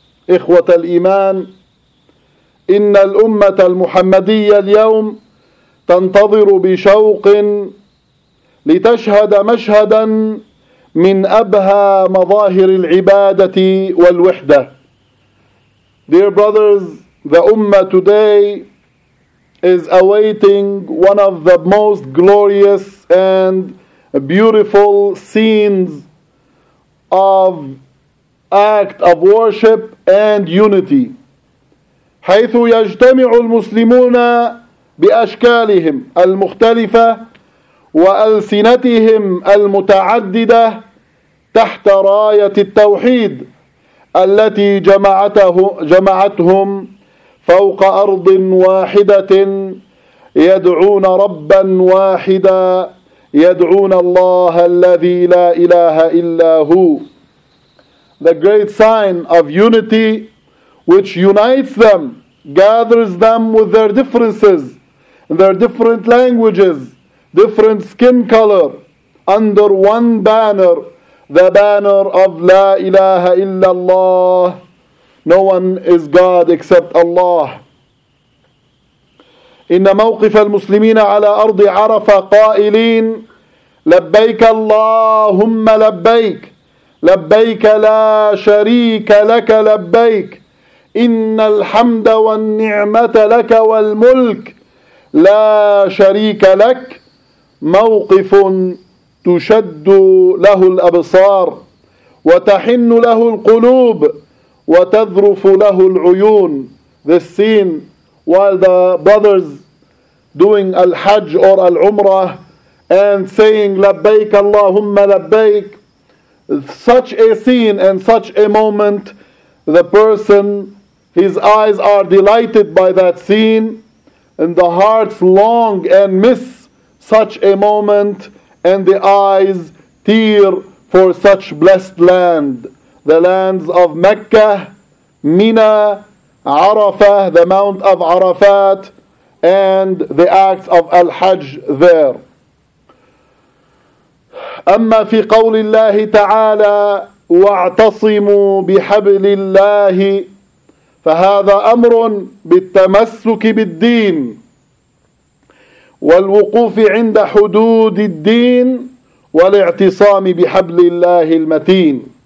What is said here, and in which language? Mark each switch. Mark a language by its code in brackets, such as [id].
[ar] إخوة الإيمان، إن الأمة المحمدية اليوم تنتظر بشوق لتشهد مشهدا من أبهى مظاهر العبادة والوحدة. [en] Dear brothers, the Ummah today is awaiting one of the most glorious and beautiful scenes of act of worship and unity. [ar] حيث يجتمع المسلمون بأشكالهم المختلفة وألسنتهم المتعددة تحت راية التوحيد التي جمعتهم فوق أرض واحدة، يدعون ربا واحدا، يدعون الله الذي لا إله إلا هو. [en] The great sign of unity which unites them, gathers them with their differences, their different languages, different skin color, under one banner, the banner of La ilaha illallah. No one is God except Allah. [ar] إن موقف المسلمين على أرض عرفة قائلين لبيك اللهم لبيك، لبيك لا شريك لك لبيك، إن الحمد والنعمة لك والملك لا شريك لك، موقف تشد له الأبصار وتحن له القلوب وتذرف له العيون. [en] This scene, while the brothers doing al-hajj or al-umrah and saying [ar] لبيك اللهم لبيك, [en] such a scene and such a moment, the person, his eyes are delighted by that scene, and the hearts long and miss such a moment, and the eyes tear for such blessed land, the lands of Mecca, Mina, Arafah, the Mount of Arafat, and the acts of Al-Hajj there. [ar] أما في قول الله تعالى واعتصموا بحبل الله، فهذا أمر بالتمسك بالدين والوقوف عند حدود الدين والاعتصام بحبل الله المتين.